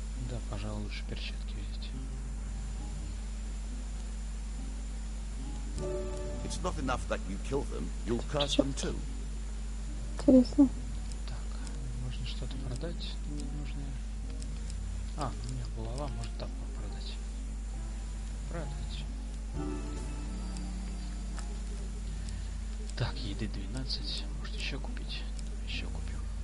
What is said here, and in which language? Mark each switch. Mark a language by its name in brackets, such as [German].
[Russian] Да, пожалуй, лучше перчатки взять. [English] It's not enough that you kill them, you'll curse them too. [Russian] Интересно. Так, можно что-то продать? Мне нужно. А, у меня булава, может так продать. Продать. Так, еды 12. Может еще купить? Еще купим.